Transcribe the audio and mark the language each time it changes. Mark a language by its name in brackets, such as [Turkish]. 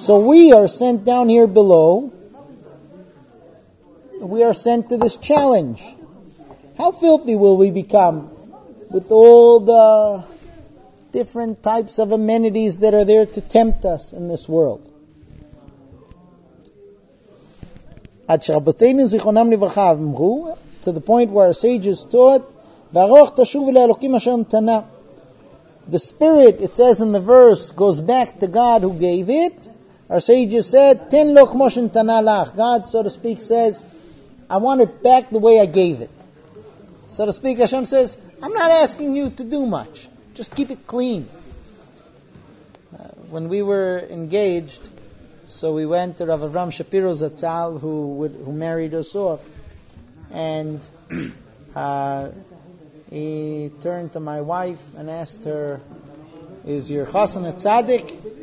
[English] So we are sent down here below. We are sent to this challenge. How filthy will we become with all the different types of amenities that are there to tempt us in this world? [Hebrew] עד שרבותינו זיכרונם לברכה אמרו, [English] to the point where our sages taught, [Hebrew] וארוך תשוב לאלוקים אשר נתנה. [English] The spirit, it says in the verse, goes back to God who gave it. Our sages said, [Hebrew] תן לו כמו שנתנה לך. [English] God, so to speak, says, I want it back the way I gave it. So to speak, Hashem says, I'm not asking you to do much. Just keep it clean. when we were engaged, so we went to Rav Avram Shapiro Zatzal, who married us off, and he turned to my wife and asked her, "Is your chassan a tzaddik?"